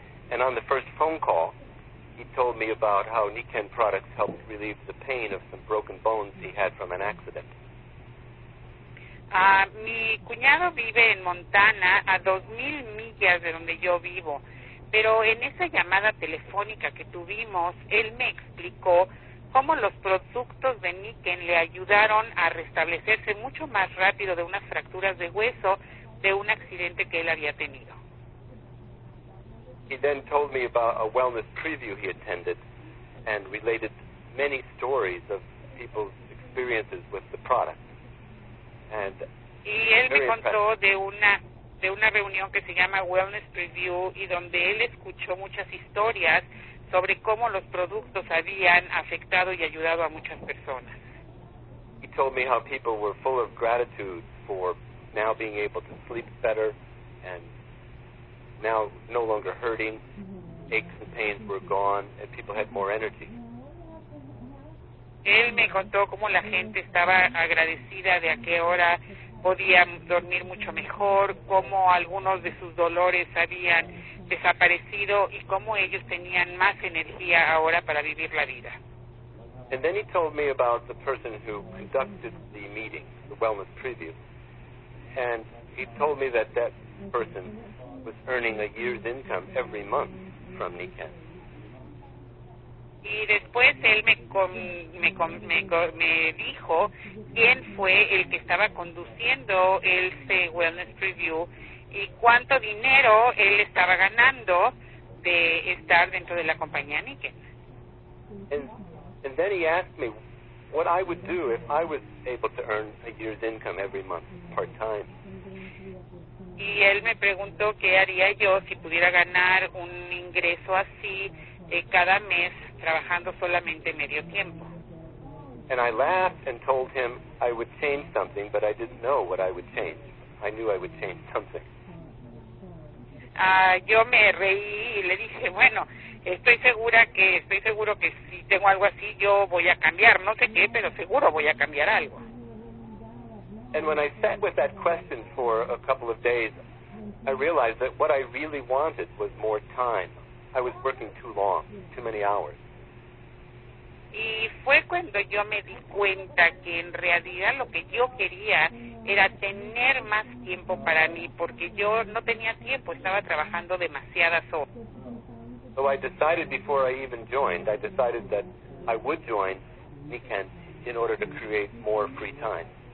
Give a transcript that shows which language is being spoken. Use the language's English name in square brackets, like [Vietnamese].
[English] And on the first phone call, he told me about how Niken products helped relieve the pain of some broken bones he had from an accident. [Spanish] Mi cuñado vive en Montana, a 2,000 millas de donde yo vivo. Pero en esa llamada telefónica que tuvimos, él me explicó cómo los productos de Niken le ayudaron a restablecerse mucho más rápido de unas fracturas de hueso de un accidente que él había tenido. [English] He then told me about a wellness preview he attended and related many stories of people's experiences with the product. And [Spanish] y él me contó de una reunión que se llama Wellness Preview y donde él escuchó muchas historias sobre cómo los productos habían afectado y ayudado a muchas personas. [English] He told me how people were full of gratitude for now being able to sleep better and now no longer hurting, aches and pains were gone, and people had more energy. [Spanish] Él me contó cómo la gente estaba agradecida de a qué hora podían dormir mucho mejor, cómo algunos de sus dolores habían desaparecido y cómo ellos tenían más energía ahora para vivir la vida. [English] And then he told me about the person who conducted the meeting, the wellness preview, and he told me that that person was earning a year's income every month from Niken. [Spanish] Y después él me dijo quién fue el que estaba conduciendo el Wellness Preview y cuánto dinero él estaba ganando de estar dentro de la compañía Niken. [English] And then he asked me what I would do if I was able to earn a year's income every month part-time. [Spanish] Y él me preguntó qué haría yo si pudiera ganar un ingreso así cada mes trabajando solamente medio tiempo. [English] And I laughed and told him I would change something, but I didn't know what I would change. I knew I would change something. [Spanish] Yo me reí y le dije, bueno, estoy seguro que si tengo algo así yo voy a cambiar, no sé qué, pero seguro voy a cambiar algo. [English] And when I sat with that question for a couple of days, I realized that what I really wanted was more time. I was working too long, too many hours. [Spanish] Y fue cuando yo me di cuenta que en realidad lo que yo quería era tener más tiempo para mí, porque yo no tenía tiempo, estaba trabajando demasiadas horas. [English] So I decided before I even joined, I decided that I would join Niken in order to create more free time.